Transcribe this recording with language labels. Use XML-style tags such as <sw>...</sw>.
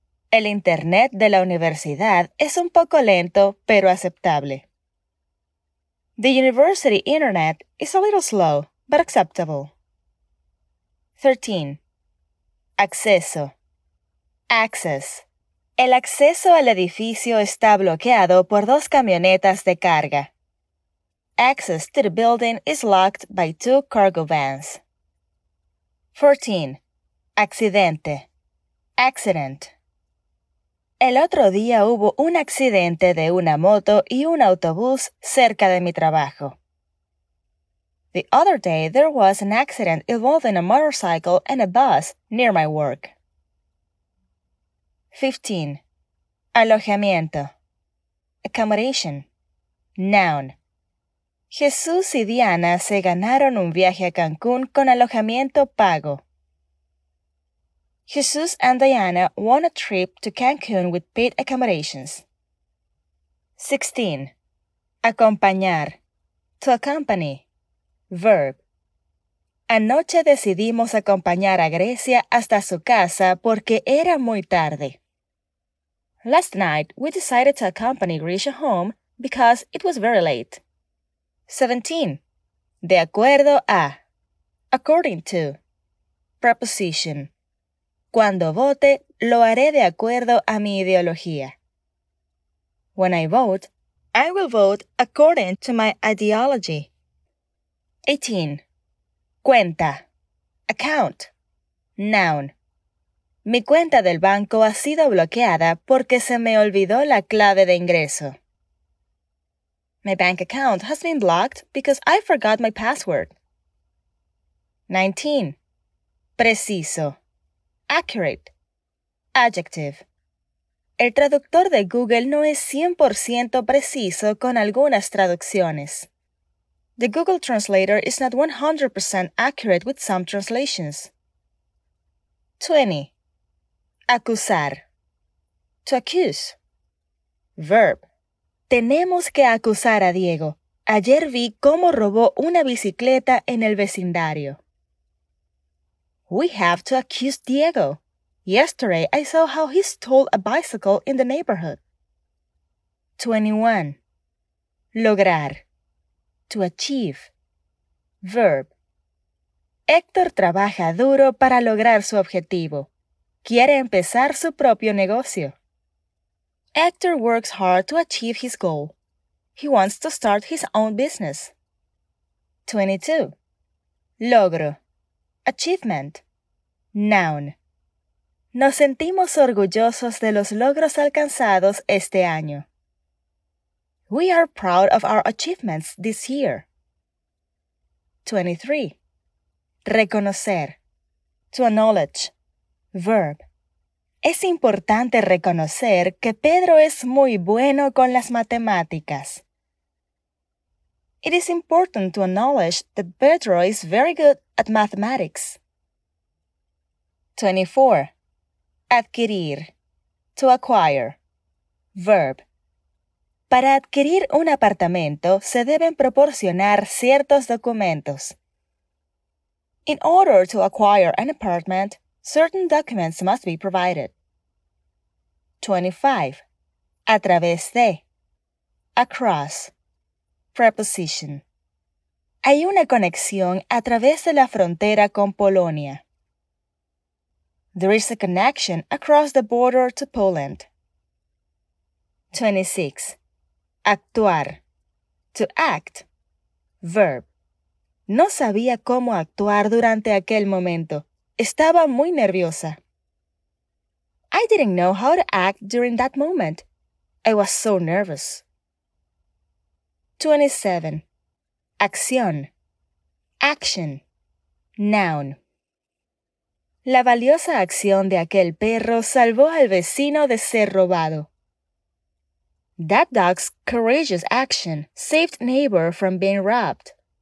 <es>El internet de la universidad es un poco lento, pero aceptable.</es> <en>The university internet is a little slow, but acceptable. 13. Acceso. Access.</en> <es>El acceso al edificio está bloqueado por dos camionetas de carga.</es> <en>Access to the building is locked by two cargo vans. 14. Accidente. Accident.</en> <es>El otro día hubo un accidente de una moto y un autobús cerca de mi trabajo.</es> <en>The other day there was an accident involving a motorcycle and a bus near my work. 15. Alojamiento. Accommodation. Noun.</en> <es>Jesús y Diana se ganaron un viaje a Cancún con alojamiento pago.</es> <en>Jesús and Diana won a trip to Cancun with paid accommodations. 16. Acompañar. To accompany. Verb.</en> <es>Anoche decidimos acompañar a Grecia hasta su casa porque era muy tarde.</es> <en>Last night, we decided to accompany Grisha home because it was very late. 17.</en> <es>De acuerdo a.</es> <en>According to. Preposition.</en> <es>Cuando vote, lo haré de acuerdo a mi ideología.</es> <en>When I vote, I will vote according to my ideology. 18. Cuenta. Account. Noun.</en> <es>Mi cuenta del banco ha sido bloqueada porque se me olvidó la clave de ingreso.</es> <en>My bank account has been blocked because I forgot my password. 19. Preciso. Accurate. Adjective.</en> <es>El traductor de Google no es 100% preciso con algunas traducciones.</es> <en>The Google Translator is not 100% accurate with some translations. 20. Acusar. To accuse. Verb.</en> <es>Tenemos que acusar a Diego. Ayer vi cómo robó una bicicleta en el vecindario.</es> <en>We have to accuse Diego. Yesterday I saw how he stole a bicycle in the neighborhood. 21. Lograr. To achieve. Verb.</en> <es>Héctor trabaja duro para lograr su objetivo. Quiere empezar su propio negocio.</es> <en>Héctor works hard to achieve his goal. He wants to start his own business. 22. Logro. Achievement. Noun.</en> <es>Nos sentimos orgullosos de los logros alcanzados este año.</es> <en>We are proud of our achievements this year. 23. Reconocer. To acknowledge. Verb.</en> <es>Es importante reconocer que Pedro es muy bueno con las matemáticas.</es> <en>It is important to acknowledge that Pedro is very good at mathematics. 24. Adquirir. To acquire. Verb.</en> <es>Para adquirir un apartamento, se deben proporcionar ciertos documentos.</es> <en>In order to acquire an apartment, certain documents must be provided. 25.</en> <es>A través de.</es> <en>Across. Preposition.</en> <es>Hay una conexión a través de la frontera con Polonia.</es> <en>There is a connection across the border to Poland. 26. Actuar. To act. Verb.</en> <es>No sabía cómo actuar durante aquel momento. Estaba muy nerviosa.</es> <en>I didn't know how to act during that moment. I was so nervous. 27. Acción. Action. Noun.</en> <es>La valiosa acción de aquel perro salvó al vecino de ser robado.</es> <en>That dog's courageous action saved neighbor from being robbed.</en>